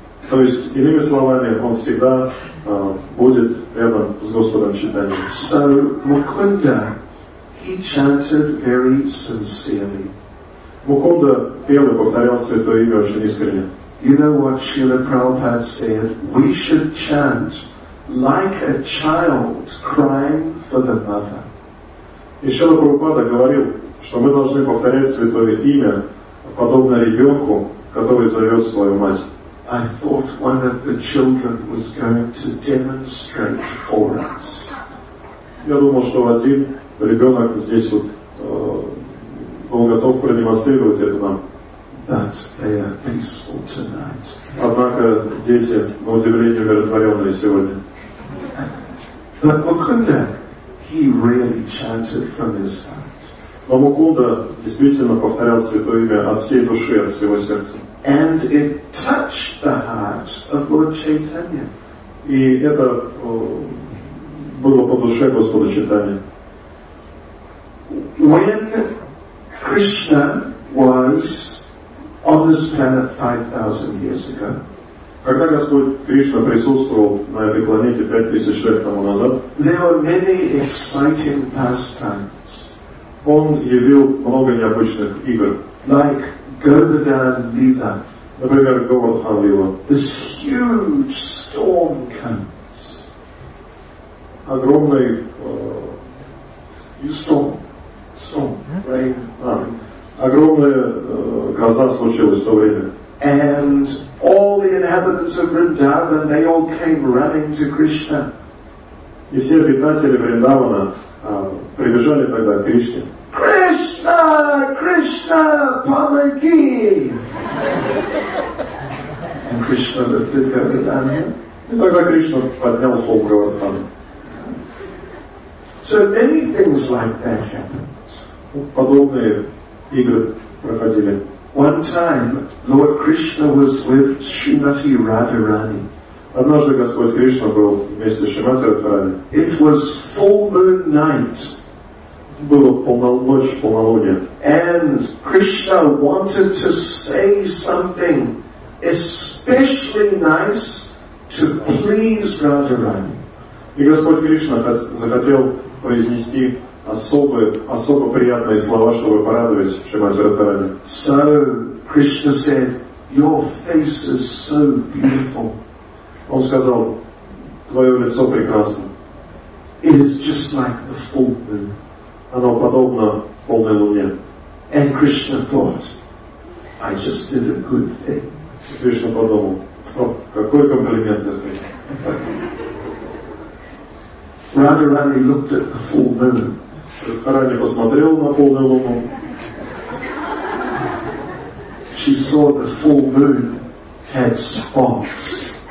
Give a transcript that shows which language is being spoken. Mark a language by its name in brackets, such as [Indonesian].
[Russian] То есть, иными словами, он всегда будет рядом с Господом Чайтаньей. [English] So, Mukunda, he chanted very sincerely. [Russian] Mukunda пел и повторял святое имя очень искренне. [English] You know what Srila Prabhupada said? We should chant like a child crying for the mother. [Russian] И Шрила Прабхупада говорил, что мы должны повторять святое имя, подобно ребенку, который зовет свою мать. [English] I thought one of the children was going to demonstrate for us. [Russian] Я думал, что один ребенок здесь вот был готов продемонстрировать это нам. [English] But they are peaceful tonight. [Russian] Однако дети, на удивление, умиротворенные сегодня. [English] But Mukunda, he really chanted from his heart. [Russian] Но Мукунда действительно повторял святое имя от всей души, от всего сердца. [English] And it touched the heart of Lord Chaitanya. [Russian] И это было по душе Господа Чайтаньи. [English] When Krishna was on this planet 5,000 years ago, [Russian] когда Господь Кришна присутствовал на этой планете 5000 лет тому назад, [English] there were many exciting pastimes. [Russian] Он явил много необычных игр. [English] Like Govardhan Lila. [Russian] Например, Govardhan Lila. [English] This huge storm comes. [Russian] Огромный [English] storm. Rain. [Russian] Огромная гроза случилась в то время. [English] And all the inhabitants of Vrindavan, they all came running to Krishna. [Russian] И все обитатели Вриндавана прибежали тогда к Кришне. Krishna, Krishna, помоги! [English] And Krishna lifted Govardhana. [Russian] И тогда Кришна поднял холм Говардхана. [English] So many things like that happened. [Russian] Подобные игры проходили. [English] One time, Lord Krishna was with Srimati Radharani. [Russian] Однажды Господь Кришна был вместе с Шримати Радхарани. [English] It was full moon night. [Russian] Было ночь полнолуния. [English] And Krishna wanted to say something especially nice to please Radharani. [Russian] И Господь Кришна захотел произнести особо приятные слова, чтобы порадовать Шримати Радхарани. [English] So Krishna said, "Your face is so beautiful." [Russian] Он сказал, твое лицо прекрасно. [English] It is just like the full moon. [Russian] Оно подобно полной луне. [English] And Krishna thought, I just did a good thing. [Russian] И Кришна подумал, какой комплимент я сделал. [English] Radharani looked at the full moon. [Russian] Радхарани посмотрел на полную луну. [English] She saw the full moon had spots.